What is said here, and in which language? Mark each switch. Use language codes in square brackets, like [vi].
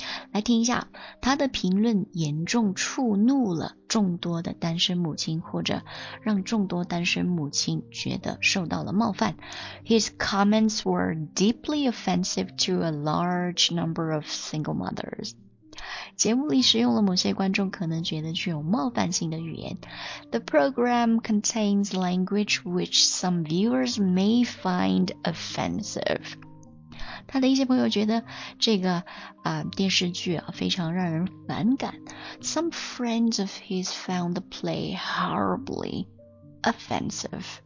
[zh] 来听一下，他的评论严重触怒了众多的单身母亲，或者让众多单身母亲觉得受到了冒犯。 [en] His comments were deeply offensive to a large number of single mothers. [zh] 节目里使用了某些观众可能觉得具有冒犯性的语言。 [en] The program contains language which some viewers may find offensive. [zh] 他的一些朋友觉得这个电视剧啊非常让人反感。 [en] Some friends of his found the play horribly offensive.